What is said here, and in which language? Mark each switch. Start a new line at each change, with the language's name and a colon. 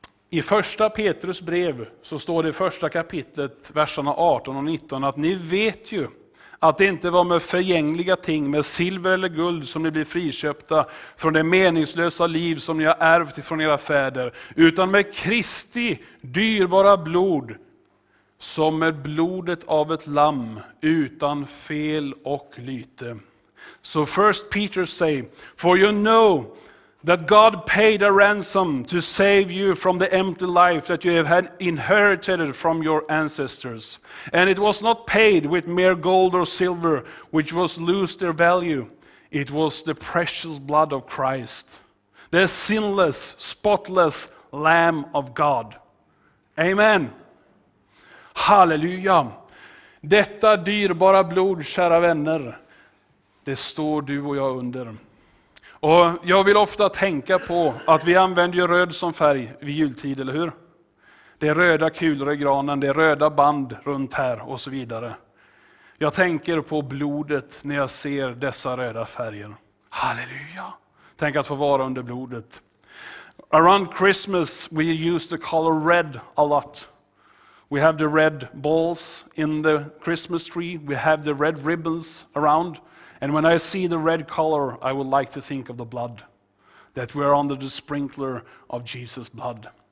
Swedish: I första Petrus brev så står det i första kapitlet, verserna 18 och 19, att ni vet ju att det inte var med förgängliga ting, med silver eller guld, som ni blir friköpta från det meningslösa liv som ni har ärvt ifrån era fäder, utan med Kristi dyrbara blod, som med blodet av ett lamm utan fel och lyte.
English: So first Peter say, for you know that God paid a ransom to save you from the empty life that you have had inherited from your ancestors. And it was not paid with mere gold or silver, which was lose their value. It was the precious blood of Christ, the sinless, spotless Lamb of God. Amen. Halleluja.
Swedish: Detta dyrbara blod, kära vänner, det står du och jag under. Och jag vill ofta tänka på att vi använder ju röd som färg vid jultid, eller hur? Det är röda kulor i granen, det är röda band runt här och så vidare. Jag tänker på blodet när jag ser dessa röda färger. Halleluja! Tänk att få vara under blodet.
English: Around Christmas we use the color red a lot. We have the red balls in the Christmas tree. We have the red ribbons around. And when I see the red color, I would like to think of the blood. That we are under the sprinkler of Jesus' blood.